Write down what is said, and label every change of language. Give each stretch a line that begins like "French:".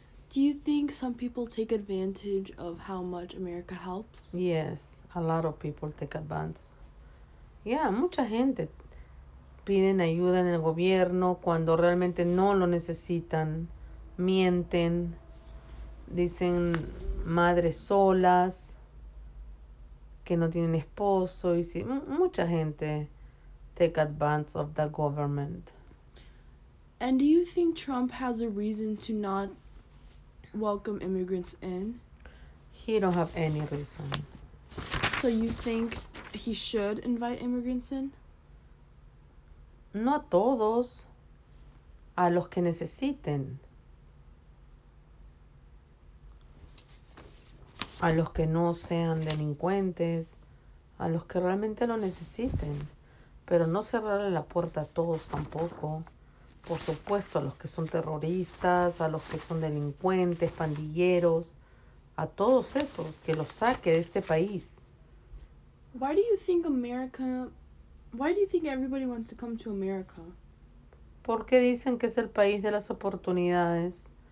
Spanish: Do you think some people take advantage of how much America helps? Yes, a lot of people take advantage. Yeah, mucha gente piden ayuda en el gobierno cuando realmente no lo necesitan. Mienten. Dicen madres solas que no tienen esposo. Y si, mucha gente
English: take advantage of the government. And do you think Trump has a reason to not welcome immigrants in? He don't have any reason. So you think he should invite immigrants in?
Spanish: No a todos, a los que necesiten. A los que no sean delincuentes, a los que realmente lo necesiten. Pero no cerrarle la puerta a todos tampoco. Por supuesto, a los que son terroristas, a los que son delincuentes, pandilleros, a todos esos, que los saque de este país.
English: Why do you think everybody wants to come to America?
Spanish: Porque dicen que es el país de las oportunidades.